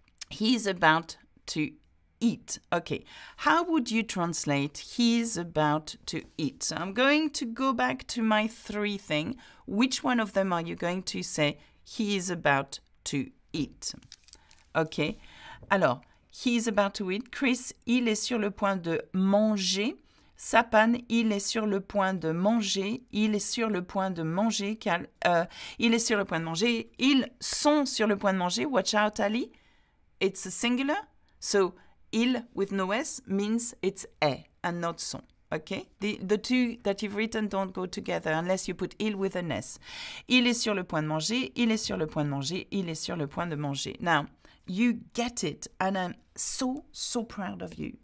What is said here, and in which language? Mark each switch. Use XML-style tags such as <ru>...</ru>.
<en>He's about to eat. Eat. Okay. How would you translate he's about to eat? So I'm going to go back to my three thing. Which one of them are you going to say he is about to eat? Okay. Alors, he's about to eat.</en> <fr>Chris, il est sur le point de manger. Sapan, il est sur le point de manger. Il est sur le point de manger. Cal, il est sur le point de manger. Ils sont sur le point de manger.</fr> <en>Watch out, Ali. It's a singular. So, il with no s means it's est and not son. Okay? The two that you've written don't go together unless you put il with an s.</en> <fr>Il est sur le point de manger. Il est sur le point de manger. Il est sur le point de manger.</fr> <en>Now, you get it and I'm so, so proud of you.</en>